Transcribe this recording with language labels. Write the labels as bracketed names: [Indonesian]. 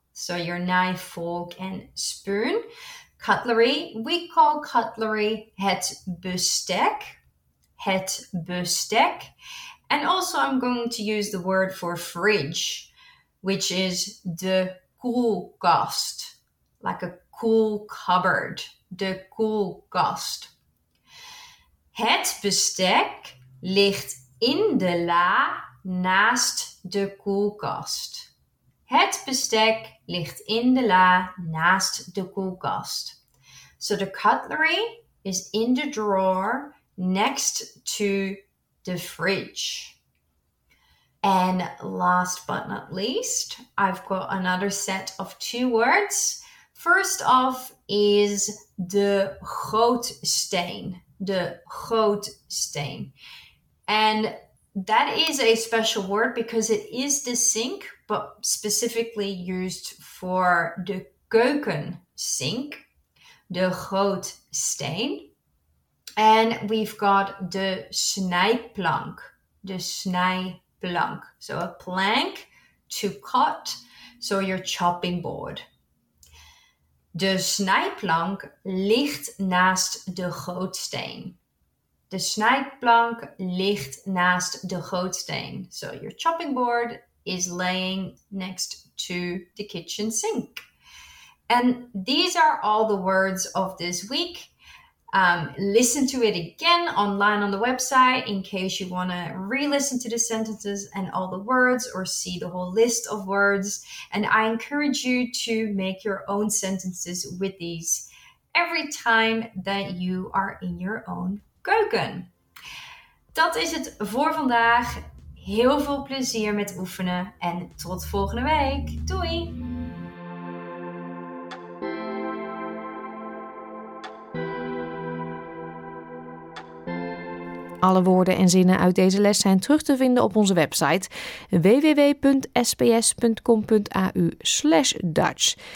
[English] So your knife, fork and spoon. Cutlery, we call cutlery het bestek. [Dutch] Het bestek. [English] And also I'm going to use the word for fridge, which is de koelkast, like a cool cupboard. [Dutch] De koelkast. Het bestek ligt in de la naast de koelkast. Het bestek ligt in de la naast de koelkast. [English] So the cutlery is in the drawer next to the fridge. And last but not least, I've got another set of two words. First off is de grootsteen. De grootsteen. And that is a special word because it is the sink, but specifically used for the keuken sink. De grootsteen. And we've got de snijplank. De snijplank. So a plank to cut. So your chopping board. [Dutch] De snijplank ligt naast de grootsteen. De snijplank ligt naast de grootsteen. [English] So your chopping board is laying next to the kitchen sink. And these are all the words of this week. Listen to it again online on the website in case you want to re-listen to the sentences and all the words or see the whole list of words. And I encourage you to make your own sentences with these every time that you are in your own keuken. [Dutch] Dat is het voor vandaag. Heel veel plezier met oefenen en tot volgende week. Doei! Alle woorden en zinnen uit deze les zijn terug te vinden op onze website www.sbs.com.au/Dutch.